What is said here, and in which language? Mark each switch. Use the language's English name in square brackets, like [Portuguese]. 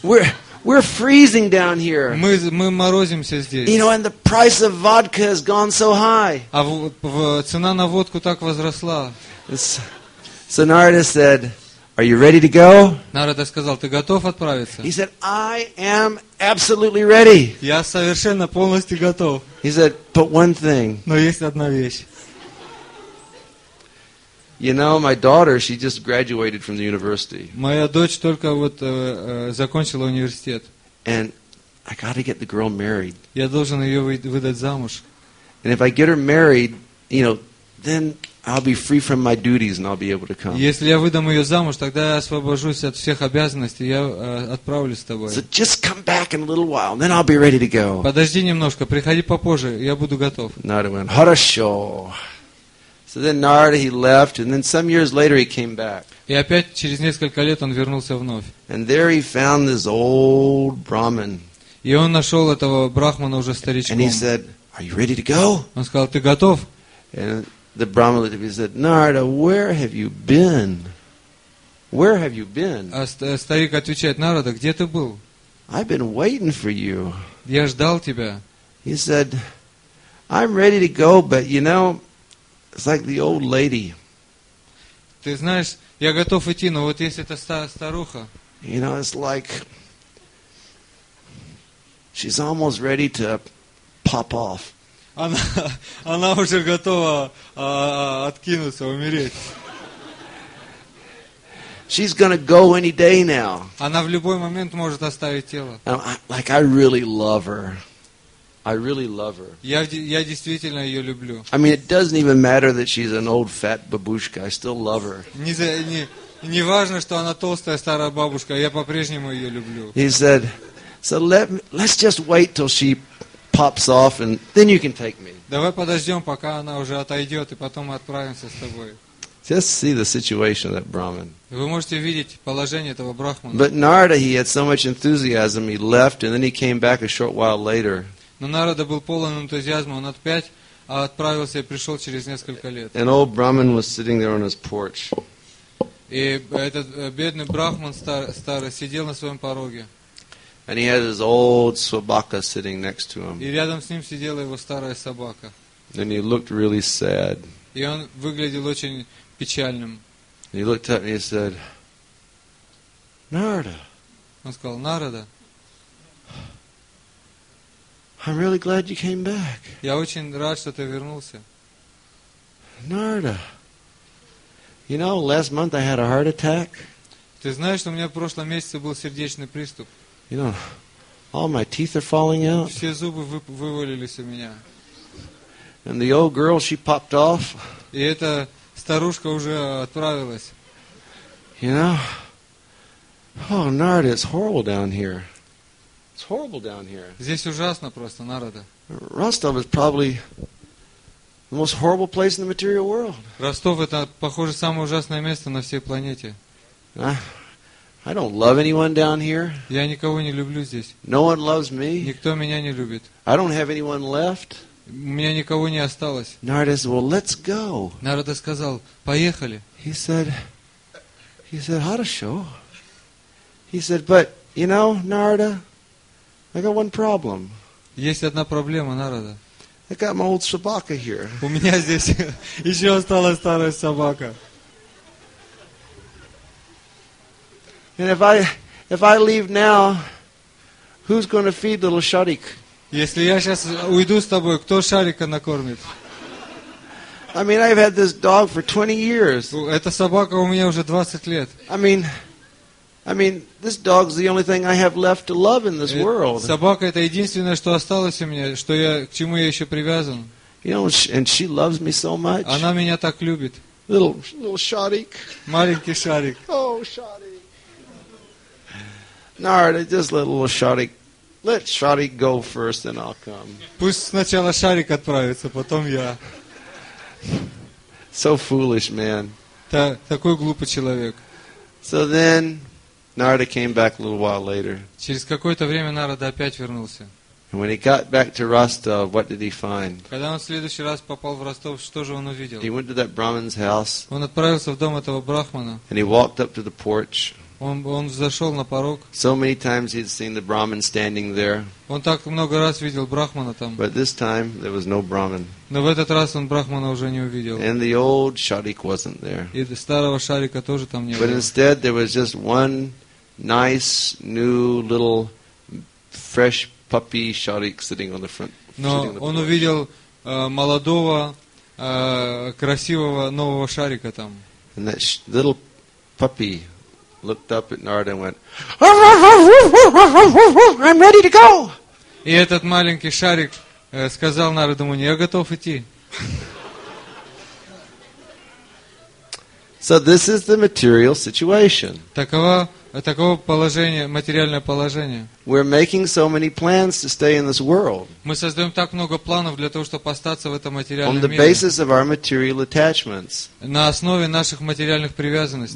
[English] We're freezing down here. [Russian] Мы морозимся здесь. [English] You know, and the price of vodka has gone so high. [Russian] А цена на водку так возросла. [English] So Narada said, "Are you ready to go?" [Russian] Narada сказал, ты готов отправиться? [English] He said, "I am absolutely ready." [Russian] Я совершенно полностью готов. [English] He said, "But one thing." [Russian] Но есть одна вещь. [English] You know, my daughter, she just graduated from the university. [Russian] Моя дочь только вот закончила университет. [English] And I got to get the girl married. [Russian] Я должен ее выдать замуж. [English] And if I get her married, you know, then I'll be free from my duties and I'll be able to come. [Russian] Если я выдам ее замуж, тогда я освобожусь от всех обязанностей, я отправлюсь с тобой. [English] So just come back in a little while, then I'll be ready to go. [Russian] Подожди немножко, приходи попозже, я буду готов. [English] Narada went, [Russian] хорошо. [English] So then Narada, he left, and then some years later he came back. [Russian] И опять через несколько лет он вернулся вновь. [English] And there he found this old Brahmin. [Russian] И он нашел этого брахмана уже старичком. [English] And he said, "Are you ready to go?" [Russian] Он сказал, ты готов? [English] And the Brahmin looked at him and said, "Narada, where have you been? Where have you been?" [Russian] А старик отвечает, Нарада, где ты был? [English] "I've been waiting for you." [Russian] Я ждал тебя. [English] He said, "I'm ready to go, but you know, it's like the old lady." [Russian] Ты знаешь, я готов идти, но вот есть эта старуха. [English] You know, it's like she's almost ready to pop off. [Russian] Она уже готова откинуться, умереть. [English] She's gonna go any day now. [Russian] Она в любой момент может оставить тело. [English] Like I really love her. I really love her. [Russian] Я действительно ее люблю. [English] I mean, it doesn't even matter that she's an old fat babushka. I still love her. [Russian] Не важно, что она толстая старая бабушка. Я по-прежнему ее люблю. [English] He said, "So let's just wait till she pops off, and then you can take me." [Russian] Давай подождем, пока она уже отойдет, и потом мы отправимся с тобой. [English] Just see the situation of that Brahmin. [Russian] Вы можете видеть положение этого брахмана. [English] But Narada, he had so much enthusiasm, he left, and then he came back a short while later. [Russian] Но Нарада был полон энтузиазма, он опять отправился и пришел через несколько лет. [English] An old Brahmin was sitting there on his porch. [Russian] И этот бедный брахман старый сидел на своем пороге. [English] And he had his old [Russian] собака [English] sitting next to him. [Russian] И рядом с ним сидела его старая собака. [English] And he looked really sad. [Russian] И он выглядел очень печальным. [English] And he looked at me and said, "Narada." [Russian] Он сказал, Нарада. [English] "I'm really glad you came back." [Russian] Я очень рад, что ты вернулся. [English] "Narada. You know, last month I had a heart attack." [Russian] Ты знаешь, что у меня в прошлом месяце был сердечный приступ? [English] "You know, all my teeth are falling out." [Russian] Все зубы вывалились у меня. [English] "And the old girl, she popped off." [Russian] И эта старушка уже отправилась. [English] "You know, oh, Narada, it's horrible down here. It's horrible down here." [Russian] Здесь ужасно просто, Нарада. [English] "Rostov is probably the most horrible place in the material world." [Russian] Ростов это, похоже, самое ужасное место на всей планете. [English] "I don't love anyone down here." [Russian] Я никого не люблю здесь. [English] "No one loves me." [Russian] Никто меня не любит. [English] "I don't have anyone left." [Russian] У меня никого не осталось. [English] Narada said, "Well, let's go." [Russian] Нарада сказал, поехали. [English] He said, [Russian] "Хорошо." [English] He said, "But you know, Narada, I got one problem." [Russian] Есть одна проблема, Нарада. [English] "I got my old [Russian] собака [English] here." [Russian] У меня здесь еще осталась старая собака. [English] "And if I leave now, who's going to feed little Sharik?" [Russian] Если я сейчас уйду с тобой, кто Шарика накормит? [English] "I mean, I've had this dog for 20 years." [Russian] Эта собака у меня уже 20 лет. [English] "I mean, I mean, this dog's the only thing I have left to love in this world. [Russian] Собака это единственное, что осталось у меня, что я к чему я еще привязан. [English] You know, and she loves me so much. [Russian] Она меня так любит. [English] Little Шарик. [Russian] Маленький Шарик. [English] Oh, Шарик. Nard, just little Шарик. Let Шарик go first, and I'll come. [Russian] Пусть сначала Шарик отправится, потом я. [English] So foolish, man. [Russian] Такой глупый человек. [English] So then. Narada came back a little while later. [Russian] Через какое-то время Нарада опять вернулся. [English] And when he got back to Rostov, what did he find? [Russian] Когда он в следующий раз попал в Ростов, что же он увидел? [English] He went to that Brahmin's house. [Russian] Он отправился в дом этого брахмана. [English] And he walked up to the porch. [Russian] Он взошел на порог. [English] So many times he'd seen the Brahmin standing there. [Russian] Он так много раз видел брахмана там. [English] But this time there was no Brahmin. [Russian] Но в этот раз он брахмана уже не увидел. [English] And the old Шарик wasn't there. [Russian] И старого Шарика тоже там не было. [English] But instead there was just one nice new little fresh puppy Шарик sitting on the front. [Russian] Но он увидел молодого красивого нового Шарика там. [English] And that little puppy looked up at Narada and went, "I'm ready to go." [Russian] И этот маленький Шарик сказал Нараду, "Мне я готов идти." [English] So this is the material situation. [Russian] Такого положения, материальное положение. [English] We're making so many plans to stay in this world. [Russian] Мы создаем так много планов для того, чтобы остаться в этом материальном мире. [English] On the basis of our material attachments. [Russian] На основе наших материальных привязанностей.